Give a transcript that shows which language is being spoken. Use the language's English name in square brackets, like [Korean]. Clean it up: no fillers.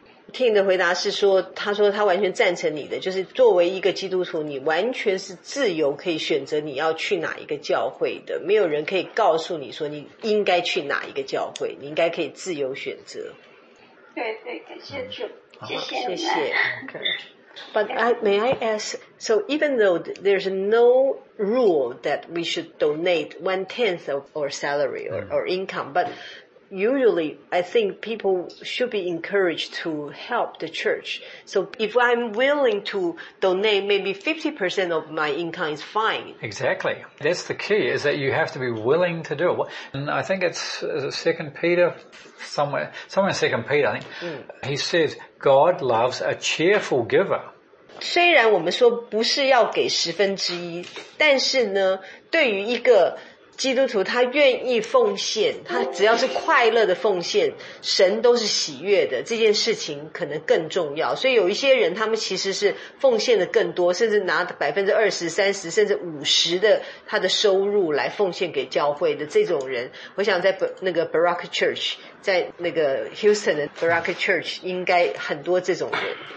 [Chinese] 听你的回答是说，他说他完全赞成你的，就是作为一个基督徒，你完全是自由可以选择你要去哪一个教会的，没有人可以告诉你说你应该去哪一个教会，你应该可以自由选择。对对，感谢主。谢谢。 [English] Okay. But may I ask, so even though there's no rule that we should donate one-tenth of our salary or income, but usually I think people should be encouraged to help the church. So if I'm willing to donate, maybe 50% of my income is fine. Exactly. That's the key, is that you have to be willing to do it. And I think it's 2 Peter, somewhere in 2 Peter, I think, he says,God loves a cheerful giver. [Chinese] 虽然我们说不是要给十分之一，但是呢，对于一个基督徒，他愿意奉献，他只要是快乐的奉献，神都是喜悦的，这件事情可能更重要。所以有一些人，他们其实是奉献的更多，甚至拿20%、30%、50%的他的收入来奉献给教会的这种人，我想在那个 Baraka Church， 在那个 Houston 的 Baraka Church 应该很多这种人。